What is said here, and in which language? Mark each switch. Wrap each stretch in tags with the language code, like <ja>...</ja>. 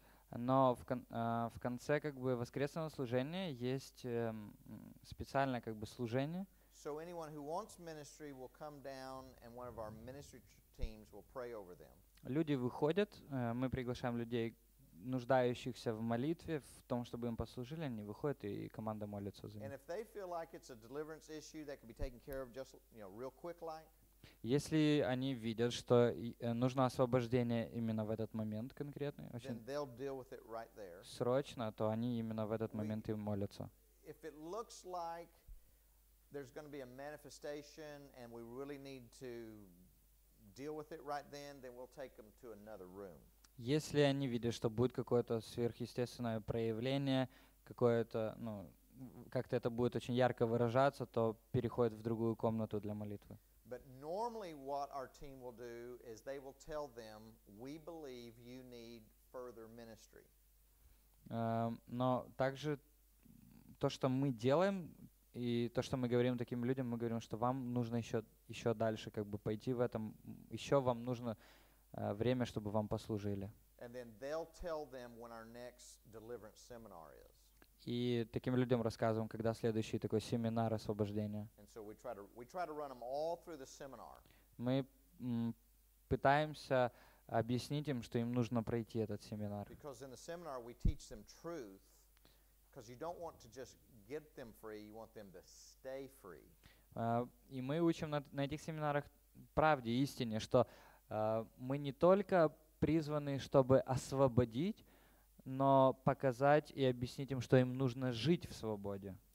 <ru>Но в конце как бы воскресного служения есть специальное как бы служение.</ru> <en>So anyone who wants ministry will come down and one of our ministry teams will pray over them.</en> <ru>Люди выходят, мы приглашаем людей, нуждающихся в молитве, в том, чтобы им послужили, они выходят и команда молится за них.</ru> <en>And if they feel like it's a deliverance issue that could be taken care of just, you know, real quick like.</en> <ru>Если они видят, что нужно освобождение именно в этот момент конкретный, очень</ru> <en>right</en> <ru>срочно, то они именно в этот момент и молятся.</ru> <en>If it looks like there's going to be a manifestation and we really need to deal with it right then we'll take them to another room.</en> <ru>Если они видят, что будет какое-то сверхъестественное проявление, какое-то, ну, как-то это будет очень ярко выражаться, то переходят в другую комнату для молитвы.</ru> <en>But normally what our team will do is they will tell them, we believe you need further ministry.</en> <ru>Но также то, что мы делаем, и то, что мы говорим таким людям, мы говорим, что вам нужно еще дальше как бы пойти в этом, еще вам нужно время, чтобы вам послужили.</ru> <en>And then they'll tell them when our next deliverance seminar is.</en> <ru>И таким людям рассказываем, когда следующий такой семинар освобождения.</ru> <en>And so we try to run them all through the seminar.</en> <ru>Мы пытаемся объяснить им, что им нужно пройти этот семинар.</ru> <en>Because in the seminar we teach them truth, because you don't want to just get them free, you want them to stay free.</en> <ru>И мы учим на этих семинарах правде, истине, что мы не только призваны, чтобы освободить, но показать и объяснить им, что им нужно жить в свободе.</ru>